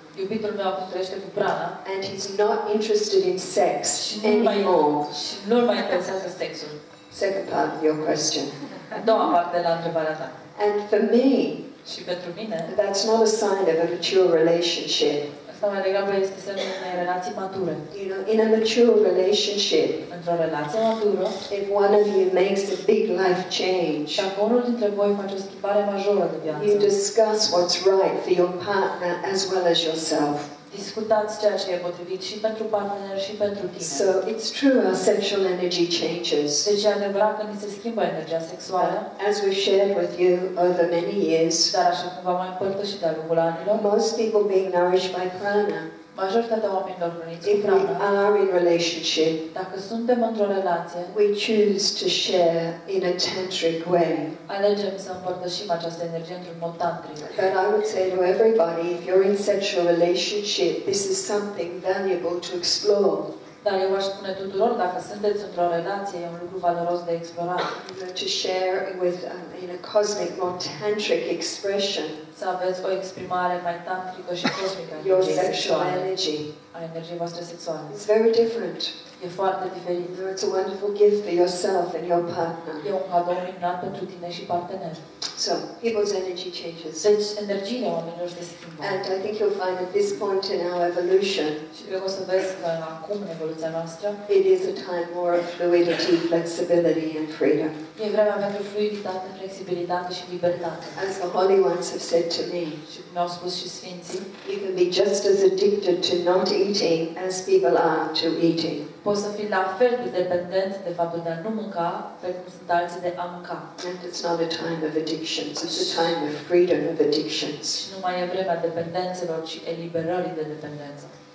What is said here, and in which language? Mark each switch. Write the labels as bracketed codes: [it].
[ro] Iubitul meu trăiește cu prana. [en] And he's not interested in sex anymore. [ro] Și nu mai interesează sexul. [en] Second part of your question. [ro] A doua parte la întrebarea ta. [en] And for me, [ro] și pentru mine, [en] that's not a sign of a mature relationship. You know, in a mature relationship, [ro] într-o relație matură, [en] if one of you makes a big life change, [ro] unul dintre voi face o schimbare majoră de viață, [en] you discuss what's right for your partner as well as yourself. [ro] Discutați ceea ce e potrivit și pentru partener și pentru tine. [en] So it's true our sexual energy changes. [ro] Deci e adevărat că ni se schimbă energia sexuală. [en] As we've shared with you over many years. [ro] Dar așa cum v-am mai împărtășit de-a lungul anilor. [en] Most people being nourished by prana. [ro] Majoritatea oamenilor hrăniți cu [en] prana. If we are in relationship. [ro] Dacă suntem într-o relație. [en] We choose to share in a tantric way. [ro] Alegem să împărtășim această energie într-un mod tantric. [en] But I would say to everybody, if you're in sexual relationship, this is something valuable to explore. [ro] Dar eu aș spune tuturor, dacă sunteți într-o relație, e un lucru valoros de explorat. [en] To share with in a cosmic, more tantric expression. [ro] Să aveți o exprimare mai tantrică și cosmică. [en] Your sexual energy. [ro] A energiei voastre sexuale. [en] It's very different. [ro] E foarte diferit. [en] It's a wonderful gift for yourself and your partner. [ro] E un cadou minunat pentru tine și partener. [en] So, people's energy changes. [ro] Deci, energiile oamenilor se schimbă. [en] And I think you'll find at this point in our evolution, [ro] și cred că o să vezi că acum, în evoluția noastră, [en] it is a time more of fluidity, flexibility and freedom. [ro] E vremea pentru fluiditate, flexibilitate și libertate. [en] As the Holy Ones have said to me, [ro] și cum au spus și Sfinții, [en] you can be just as addicted to not eating as people are to eating. [ro] Poți să fii la fel de dependent de faptul de a nu mânca, fel cum sunt alții de a mânca. [en] And it's not a time of addictions, it's a time of freedom of addictions. [ro] Și nu mai e vremea dependențelor, ci eliberării de dependență.